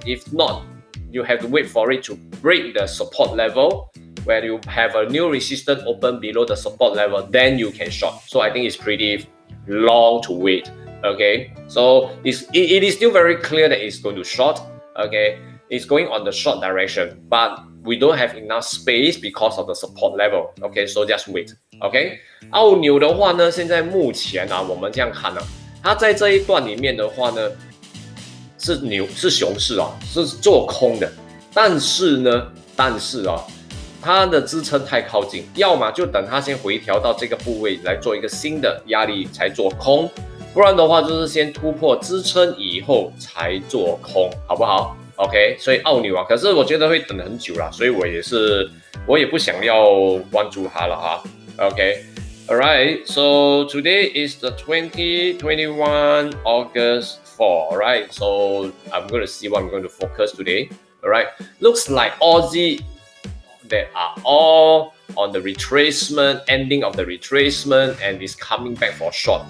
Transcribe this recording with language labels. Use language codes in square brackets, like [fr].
[en] If not, you have to wait for it to break the support level where you have a new resistance open below the support level, then you can short. So I think it's pretty long to wait. Okay, so it is still very clear that it's going to short. Okay, it's going on the short direction, but we don't have enough space because of the support level. Okay, so just wait. [zh] Okay, 澳牛的话呢，现在目前啊，我们这样看呢、啊，它在这一段里面的话呢，是牛是熊市啊，是做空的，但是啊，它的支撑太靠近，要么就等它先回调到这个部位来做一个新的压力才做空。不然的话就是先突破支撑以后才做空，好不好 ？OK， 所以澳牛啊，可是我觉得会等很久啦，所以我也不想要关注它了哈。 [en] OK，All right，So today is the 2021 August 4, right？So I'm gonna see what I'm going to focus today. All right，Looks like Aussie they are all on the retracement, ending of the retracement, and is coming back for short.